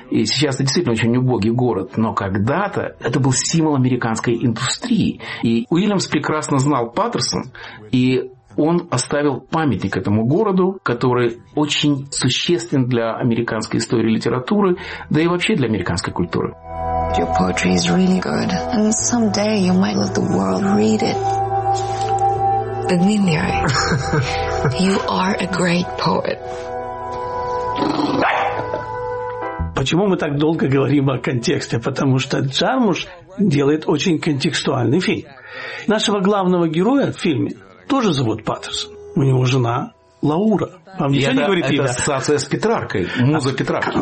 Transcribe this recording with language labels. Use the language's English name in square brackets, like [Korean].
[Russian] И сейчас это действительно очень убогий город, но когда-то это был символ американской индустрии. И Уильямс прекрасно знал Патерсон, и он оставил памятник этому городу, который очень существен для американской истории и литературы, да и вообще для американской культуры. [English] Your poetry is really good, and someday you might let the world read it. Aguinari, you are a great poet. [Russian] Почему мы так долго говорим о контексте? Потому что Джармуш делает очень контекстуальный фильм. Нашего главного героя в фильме тоже зовут Паттерсон. У него жена Лаура. Вам ничего не говорит имя? Это ассоциация с Петраркой, муза Петрарки.